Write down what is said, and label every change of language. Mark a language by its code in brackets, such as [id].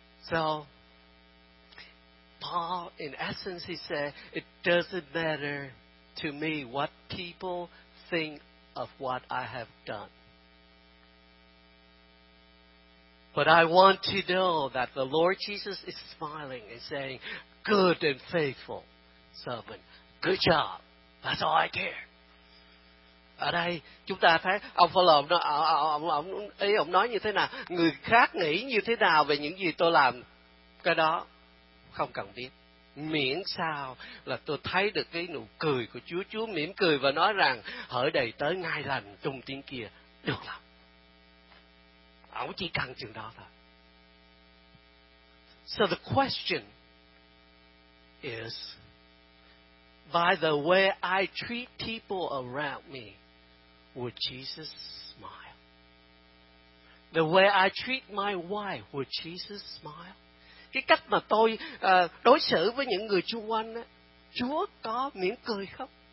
[en] So, Paul, in essence, he said, it doesn't matter to me what people think of what I have done. But I want to know that the Lord Jesus is smiling and saying, good and faithful servant. Good job. That's all I care. [vi] Ở đây chúng ta thấy ông Phaolô ông nói như thế nào, người khác nghĩ như thế nào về những gì tôi làm, cái đó không cần biết. Miễn sao là tôi thấy được cái nụ cười của Chúa. Chúa mỉm cười và nói rằng hỡi đầy tớ ngay lành trung tín kia, được lắm. Ông chỉ cần chừng đó thôi. [en] So the question is, by the way I treat people around me, would Jesus smile? The way I treat my wife, would Jesus smile? [vi] Cái cách mà tôi đối xử với những người xung quanh, Chúa có mỉm cười không?